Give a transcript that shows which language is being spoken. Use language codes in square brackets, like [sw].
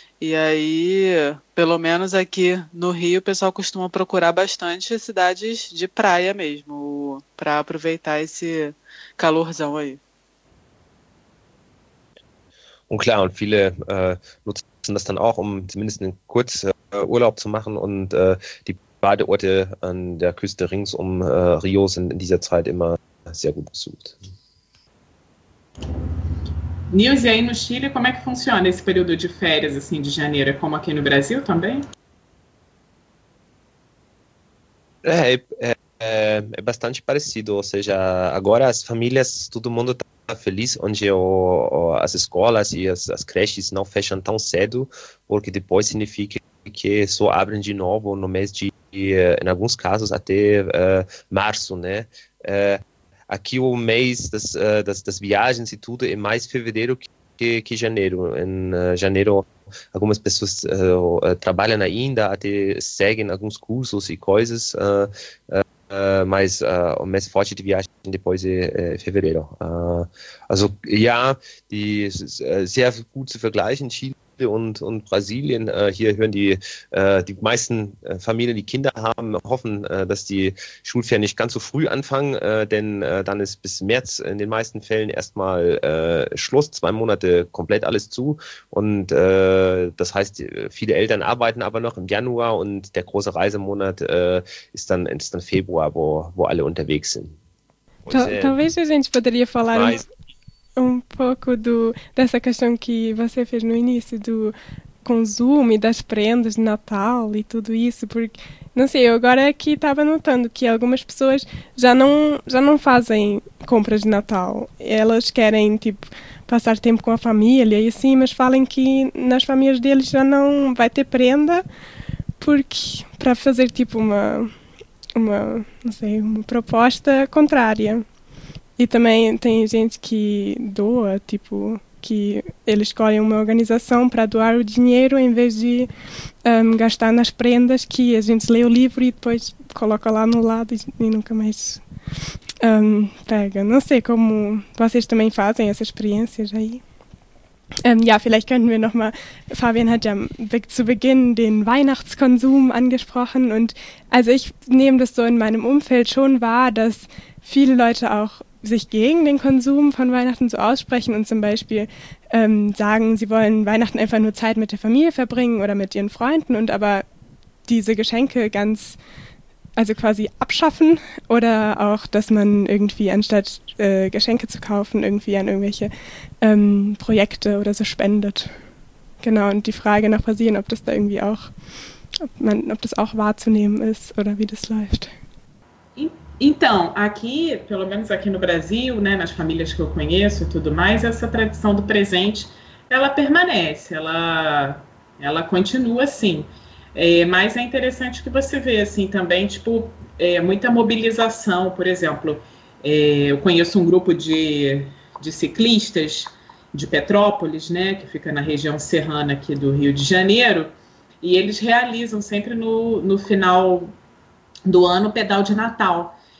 [pt] E aí, pelo menos aqui no Rio, o pessoal costuma procurar bastante cidades de praia mesmo, para aproveitar esse calorzão aí. [de] Und klar, und viele nutzen das dann auch, um zumindest eine kurze Urlaub zu machen und die Badeorte an der Küste rings um Rio sind in dieser Zeit immer sehr gut besucht. [pt] Nils, e aí no Chile, como é que funciona esse período de férias assim, de janeiro? É como aqui no Brasil também? É bastante parecido, ou seja, agora as famílias, todo mundo está feliz, onde as escolas e as creches não fecham tão cedo, porque depois significa que só abrem de novo no mês de, em alguns casos, até março, né? Aqui o mês das viagens e tudo é mais fevereiro que janeiro. Em janeiro, algumas pessoas trabalham ainda, até seguem alguns cursos e coisas, mas o mês forte de viagem depois é fevereiro. [de] Sehr gut zu vergleichen, Chile und Brasilien. Hier hören die meisten Familien, die Kinder haben, hoffen, dass die Schulferien nicht ganz so früh anfangen, denn dann ist bis März in den meisten Fällen erstmal Schluss, 2 Monate komplett alles zu. Und das heißt, viele Eltern arbeiten aber noch im Januar und der große Reisemonat ist dann Februar, wo alle unterwegs sind. [pt] Talvez a gente poderia falar um pouco dessa questão que você fez no início do consumo e das prendas de Natal e tudo isso, porque, não sei, eu agora aqui estava notando que algumas pessoas já não fazem compras de Natal. Elas querem, tipo, passar tempo com a família e assim, mas falam que nas famílias deles já não vai ter prenda porque para fazer, tipo, uma, não sei, uma proposta contrária. E também tem gente que doa, tipo, que eles escolhem uma organização para doar o dinheiro em vez de gastar nas prendas, que a gente lê o livro e depois coloca lá no lado e nunca mais pega. Não sei como vocês também fazem essas experiências aí. [de] Ja, vielleicht können wir nochmal, Fabian hat ja zu Beginn den Weihnachtskonsum angesprochen und also ich nehme das so in meinem Umfeld schon wahr, dass viele Leute auch sich gegen den Konsum von Weihnachten so aussprechen und zum Beispiel sagen, sie wollen Weihnachten einfach nur Zeit mit der Familie verbringen oder mit ihren Freunden und aber diese Geschenke ganz, also quasi abschaffen oder auch, dass man irgendwie anstatt Geschenke zu kaufen, irgendwie an irgendwelche Projekte oder so spendet. Genau, und die Frage nach Brasilien, ob das da irgendwie auch, ob das auch wahrzunehmen ist oder wie das läuft. [pt] Então, aqui, pelo menos aqui no Brasil, né, nas famílias que eu conheço e tudo mais, essa tradição do presente, ela permanece, ela continua assim. Mas é interessante que você vê, assim, também, tipo, muita mobilização, por exemplo, eu conheço um grupo de ciclistas de Petrópolis, né, que fica na região serrana aqui do Rio de Janeiro, e eles realizam sempre no final do ano o pedal de Natal.